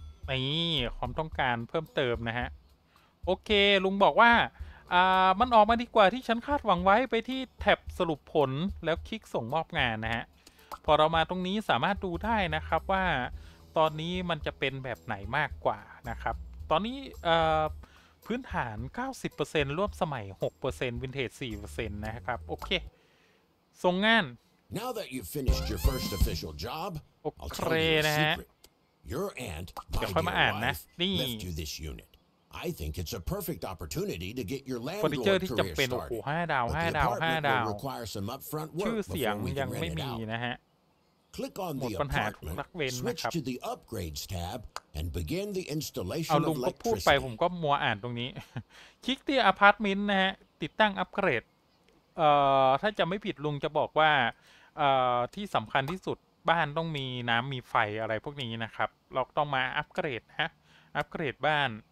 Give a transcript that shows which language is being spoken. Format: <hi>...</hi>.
<th>นี่ความต้องการเพิ่มเติมนะฮะโอเคลุงบอกว่ามันออกมาดีกว่าที่ฉันคาดหวังไว้ไปที่แท็บสรุปผลแล้วคลิกส่งมอบงานนะฮะพอเรามาตรงนี้สามารถดูได้นะครับว่าตอนนี้มันจะเป็นแบบไหนมากกว่านะครับตอนนี้พื้นฐาน 90% ร่วมสมัย 6% วินเทจ 4% นะครับโอเคส่งงาน</th> <en>Now that you've finished your first official job I'll tell you a secret Your aunt, my dear wife, left you this unit I think it's a perfect opportunity to get your landlord career started</en> <th>เป็นโอ้โห 5 ดาว 5 ดาว 5 ดาวชื่อเสียงยังไม่มีนะฮะ</th> <en>Click on the apartment, switch to the upgrades tab, and begin the installation of electricity.</en> <th>เอาลุงพูดไปผมก็มัวอ่านตรงนี้คลิกที่อพาร์ตเมนต์นะฮะติดตั้งอัปเกรดถ้าจำไม่ผิดลุงจะบอกว่าที่สำคัญที่สุดบ้านต้องมีน้ำมีไฟอะไรพวกนี้นะครับเราต้องมาอัปเกรดฮะอัปเกรดบ้าน</th>